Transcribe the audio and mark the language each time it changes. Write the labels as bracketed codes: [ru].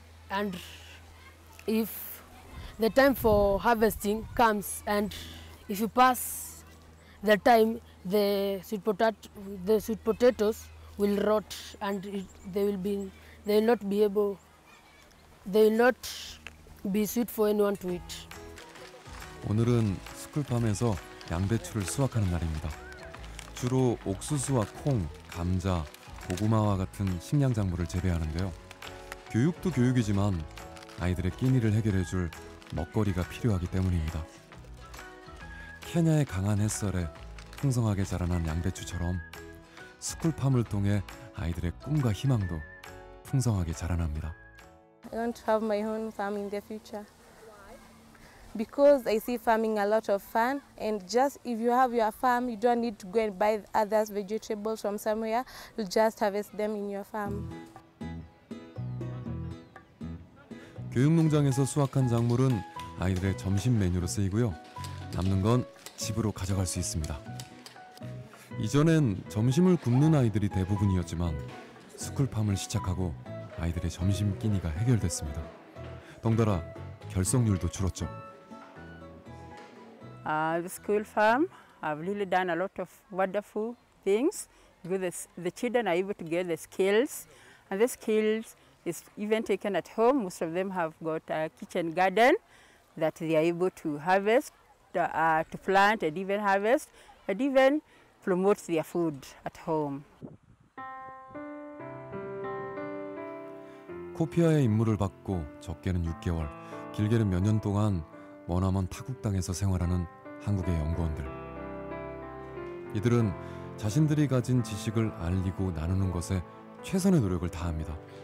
[en] And if the time for harvesting comes, and if you pass the time, the sweet potatoes will rot, and they will not be sweet for anyone to eat. [ko] 오늘은 스쿨팜에서 양배추를 수확하는 날입니다. 주로 옥수수와 콩, 감자, 고구마와 같은 식량 작물을 재배하는데요. 교육도 교육이지만 아이들의 끼니를 해결해 줄 먹거리가 필요하기 때문입니다. 케냐의 강한 햇살에 풍성하게 자라난 양배추처럼 스쿨팜을 통해 아이들의 꿈과 희망도 풍성하게 자라납니다. [en] I want to have my own farm in the future. Because I see farming a lot of fun, and just if you have your farm, you don't need to go and buy others vegetables from somewhere. You just harvest them in your farm. [ko] 교육농장에서 수확한 작물은 아이들의 점심 메뉴로 쓰이고요. 남는 건 집으로 가져갈 수 있습니다. 이전엔 점심을 굶는 아이들이 대부분이었지만 스쿨팜을 시작하고 아이들의 점심 끼니가 해결됐습니다. 덩달아 결석률도 줄었죠. [en] The school farm, I've really done a lot of wonderful things because the children are able to get the skills, and the skills is even taken at home. Most of them have got a kitchen garden that they are able to harvest, to plant and even harvest, and even promote their food at home. [ko] 코피아의 임무를 받고 적게는 6개월, 길게는 몇 년 동안 머나먼 타국 땅에서 생활하는 한국의 연구원들. 이들은 자신들이 가진 지식을 알리고 나누는 것에 최선의 노력을 다합니다.